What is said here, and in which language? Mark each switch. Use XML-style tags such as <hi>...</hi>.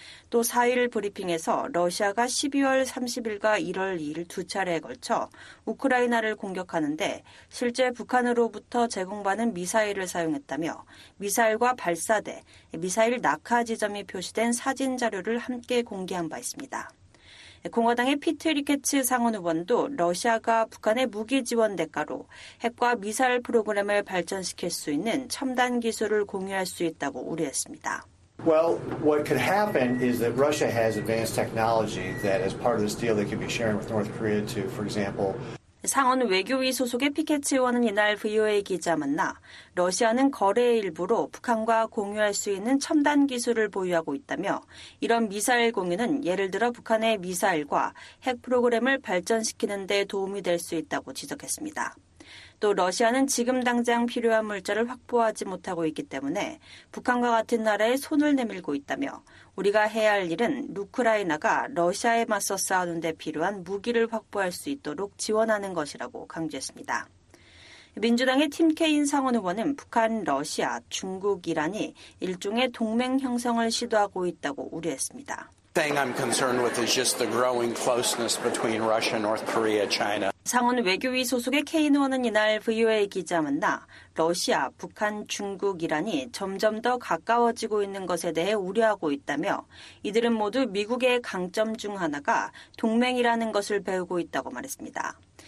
<ko>또 4일 브리핑에서 러시아가 12월 30일과 1월 2일 두 차례에 걸쳐 우크라이나를 공격하는데 실제 북한으로부터 제공받은 미사일을 사용했다며 미사일과 발사대, 미사일 낙하 지점이 표시된 사진 자료를 함께 공개한 바 있습니다. 공화당의 피트 리케츠 상원 의원도 러시아가 북한의 무기 지원 대가로 핵과 미사일 프로그램을 발전시킬 수 있는 첨단 기술을 공유할 수 있다고 우려했습니다.</ko> <en>Well, what could happen is that Russia has advanced technology that as part of this deal they could be sharing with North Korea to, for example.</en> <ko>상원 외교위 소속의 피케츠 의원은 이날 VOA 기자 만나 러시아는 거래의 일부로 북한과 공유할 수 있는 첨단 기술을 보유하고 있다며 이런 미사일 공유는 예를 들어 북한의 미사일과 핵 프로그램을 발전시키는 데 도움이 될 수 있다고 지적했습니다. 또 러시아는 지금 당장 필요한 물자를 확보하지 못하고 있기 때문에 북한과 같은 나라에 손을 내밀고 있다며 우리가 해야 할 일은 우크라이나가 러시아에 맞서 싸우는 데 필요한 무기를 확보할 수 있도록 지원하는 것이라고 강조했습니다. 민주당의 팀 케인 상원 의원은 북한, 러시아, 중국, 이란이 일종의 동맹 형성을 시도하고 있다고 우려했습니다.</ko> <en>The thing I'm concerned with is just the growing closeness between Russia, North Korea, China.</en> <ko>상원 외교위 소속의 케인 의원은 이날 VOA 기자 만나 러시아, 북한, 중국, 이란이 점점 더 가까워지고 있는 것에 대해 우려하고 있다며 이들은 모두 미국의 강점 중 하나가 동맹이라는 것을 배우고 있다고 말했습니다.</ko>